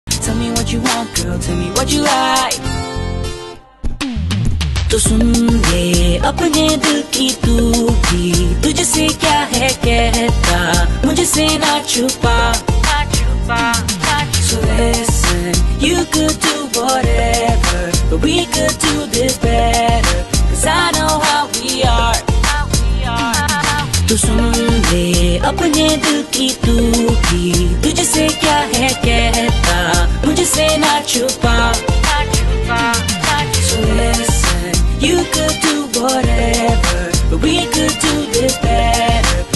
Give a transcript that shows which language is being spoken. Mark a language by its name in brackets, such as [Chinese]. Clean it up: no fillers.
[English] Tell me what you want, girl, tell me what you like. [Hindi] तो सुन ले अपने दिल की तू की तुझसे क्या है कहता मुझसे ना छुपा ना छुपा [English] So listen, you could do whatever But we could do this better Cause I know how we are How we are [Hindi] तो सुन ले अपने दिल की तू की तुझसे क्या है कहता मुझसे ना छुपा ना छुपा [English] You could do whatever, but we could do this better.